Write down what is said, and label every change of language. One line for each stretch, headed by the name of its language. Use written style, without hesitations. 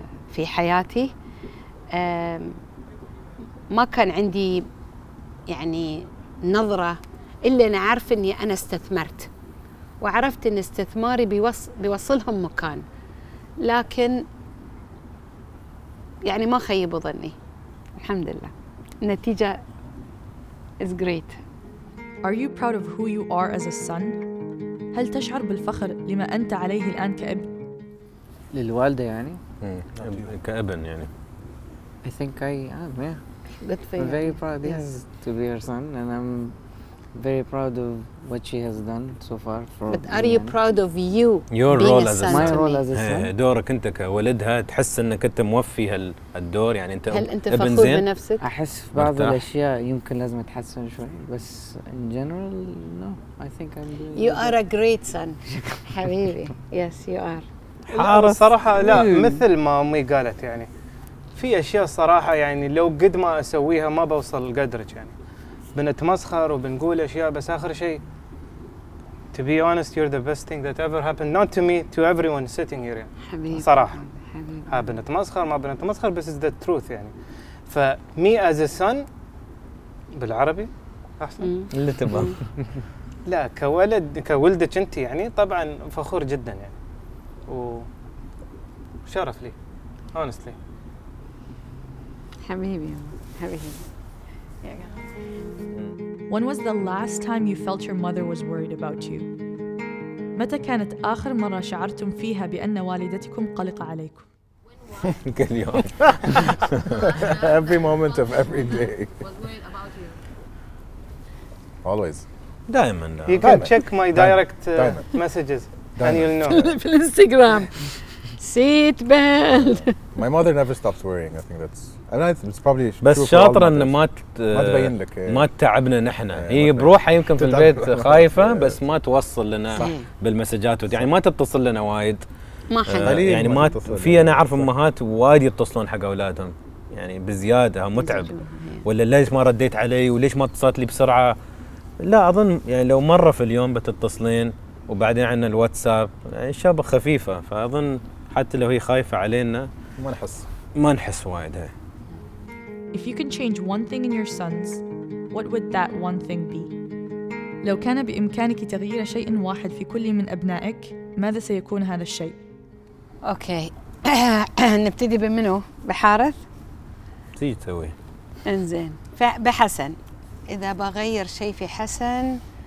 Arabic: في حياتي ما كان عندي يعني نظرة إلا أنا عارف أني أنا استثمرت وعرفت أن استثماري بيوصلهم مكان لكن يعني ما خيبوا ظني الحمد لله النتيجة
English: is great. Are you proud of who you are as a son?
Arabic: هل تشعر بالفخر لما أنت عليه الآن كأب؟ للوالدة يعني؟ كأبن يعني
English: I think I am, yeah. Good for you. I'm very proud, yes, to be her son. And I'm very proud of what she has done so far. For but are you proud of you your being role a son as a my son. Role as a son?
Arabic: دورك أنت كولدها تحس أنك أنت موفي هالدور يعني أنت هل أنت فخور بنفسك؟ أحس بعض الأشياء يمكن لازم أتحسن شوي بس
English: in general, no. I think I'm doing You are a great son. حبيبي. Yes, you are.
Arabic: حارة صراحة لا مثل ما أمي قالت يعني في أشياء صراحة يعني لو قد ما أسويها ما بوصل قدرك يعني بنتمسخر وبنقول أشياء بس آخر شيء
English: to be honest you're the best thing that ever happened not to me to everyone sitting here
Arabic: يعني. حبيب صراحة حبيب. ها بنتمسخر ما بنتمسخر بس
English: it's the truth
Arabic: يعني ف
English: me as a son
Arabic: بالعربي أحسن اللي تبغى لا كولد كولدك أنت يعني طبعا فخور جدا يعني وشرف لي
English: honestly When was the last time you felt your mother was worried about you?
Arabic: متى كانت آخر مرة شعرتم فيها بأن والدتكم قلقة عليكم؟ كل يوم.
English: Every moment of every day. Was worried about you. Always.
Arabic: دائما.
English: You can check my direct messages and you'll know.
Arabic: في الانستغرام.
English: Seat belt. My mother never stops worrying. I think that's. And I think it's probably.
Arabic: بس شاطرة إن ما تبين لك. ما تعبنا نحنا. هي بروحها يمكن في البيت خايفة بس ما توصل لنا بالمسجات يعني ما تتصل لنا وايد. ما حد. يعني ما في أنا أعرف أمهات وايد يتصلون حق أولادهم يعني بزيادة متعب. ولا ليش ما رديت علي وليش ما اتصلت لي بسرعة؟ لا أظن يعني لو مرة في اليوم بتتصلين وبعدين عندنا الواتساب يعني شابة خفيفة فأظن. حتى لو هي خايفة علينا ما نحس وايد هاي.
English: If you can change one thing in your sons, what would that one thing be?
Arabic: لو كان بإمكانك تغيير شيء واحد في كل من أبنائك، ماذا سيكون هذا الشيء؟ أوكي نبتدي بمنو؟ بحارث. تيجي تسوي. إنزين. فبحسن إذا بغير شيء في حسن.